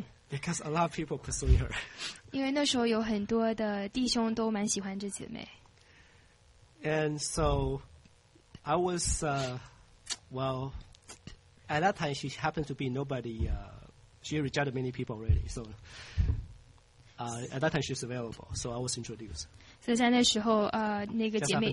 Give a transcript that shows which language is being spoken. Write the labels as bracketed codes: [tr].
[en] Because a lot of people pursue her. [zh] 因为那时候有很多的弟兄都蛮喜欢这姐妹。 [en] And so, I was, at that time she happened to be nobody, she rejected many people already, so, at that time she was available, so I was introduced. [zh] So, 在那时候, 那个姐妹,